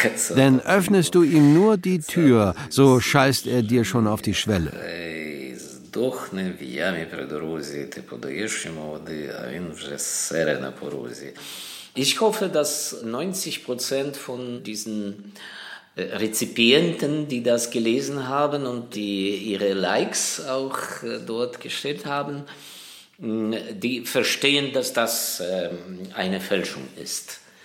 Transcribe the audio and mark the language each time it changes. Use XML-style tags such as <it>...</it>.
<de>Denn öffnest du ihm nur die Tür, so scheißt er dir schon auf die Schwelle.</de> <uk>Дохне в ямі при дорозі, ти подаєш йому води, а він вже сере на порозі.</uk> <de>Ich hoffe, dass 90% von diesen Rezipienten, die das gelesen haben und die ihre Likes auch dort gestellt haben, die verstehen, dass das eine Fälschung ist.</de>